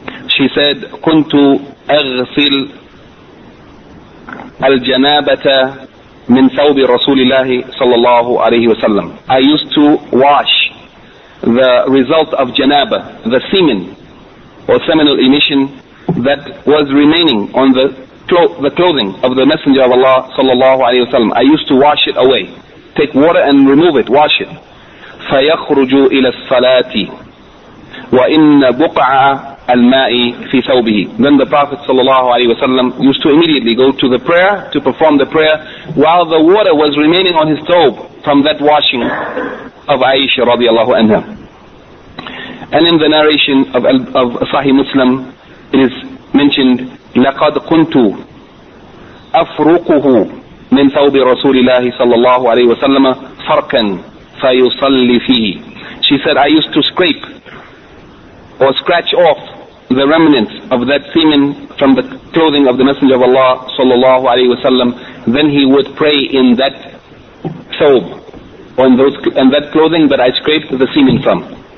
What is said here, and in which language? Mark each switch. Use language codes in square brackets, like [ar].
[en] She said, [ar] كُنْتُ أَغْسِلْ الْجَنَابَةَ مِنْ ثَوْبِ رَسُولِ اللَّهِ صَلَّى اللَّهُ عَلَيْهِ وَسَلَّمَ. [en] I used to wash the result of janaba, the semen or seminal emission that was remaining on the clothing of the Messenger of Allah sallallahu alayhi wa sallam. I used to wash it away, take water and remove it, wash it. [ar] فَيَخْرُجُ إِلَى الصَّلَاةِ وَإِنَّ بُقْعَ الْمَاءِ فِي ثَوْبِهِ. [en] Then the Prophet sallallahu alayhi wa sallam used to immediately go to the prayer, to perform the prayer, while the water was remaining on his thobe from that washing of Aisha radiallahu anha. And in the narration of Sahih Muslim, it is mentioned, [ar] لَقَدْ كُنْتُ أَفْرُقُهُ مِنْ ثَوْبِ رَسُولِ اللَّهِ صَلَّى اللَّهُ عَلَيْهِ وَسَلَّمَ فَرْكًا فَيُصَلِّ فِيهِ. [en] She said, I used to scrape or scratch off the remnants of that semen from the clothing of the Messenger of Allah sallallahu alayhi wasallam, then he would pray in that thobe on those and that clothing that I scraped the semen from.